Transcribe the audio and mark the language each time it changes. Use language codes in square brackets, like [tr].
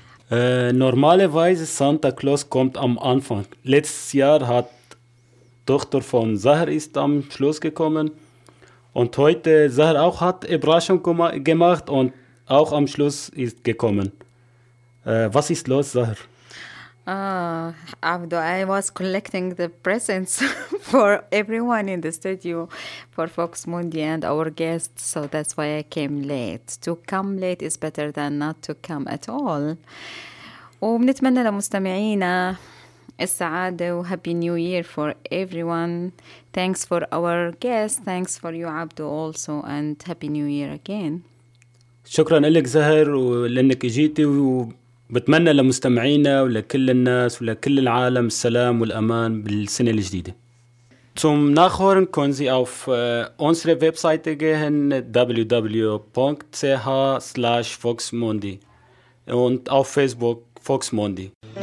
[de] Normalerweise Santa Claus kommt am Anfang. Letztes Jahr hat Tochter von Zahar ist am Schluss gekommen. Und heute Zahar auch hat Überraschung gemacht und auch am Schluss ist gekommen. Was ist los, Zahar? [en] Abdo, I was collecting the presents for everyone in the studio for Vox Mundi and our guests, so that's why I came late. To come late is better than not to come at all. [ar] وبنتمنى لمستمعينا السعادة و [en] Happy New Year for everyone. Thanks for our guests. Thanks for you, Abdo, also, and Happy New Year again. [ar] شكرا لك زهر ولأنك جيتي وبتمنى لمستمعينا ولكل الناس ولكل العالم السلام والأمان بالسنة الجديدة. [de] Zum Nachhören können Sie auf unsere Webseite gehen www.ch/Voxmundi und auf Facebook Voxmundi.